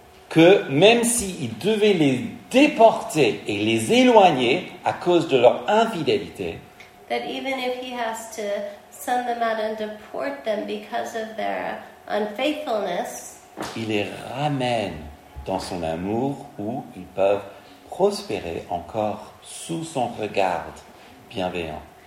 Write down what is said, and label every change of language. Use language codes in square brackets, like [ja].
[fr] Que même s'il devait les déporter et les éloigner à cause de leur infidélité, [en] that even if he has to send them out and deport them because of their unfaithfulness, [fr] il les ramène dans son amour où ils peuvent prospérer encore sous son regard bienveillant.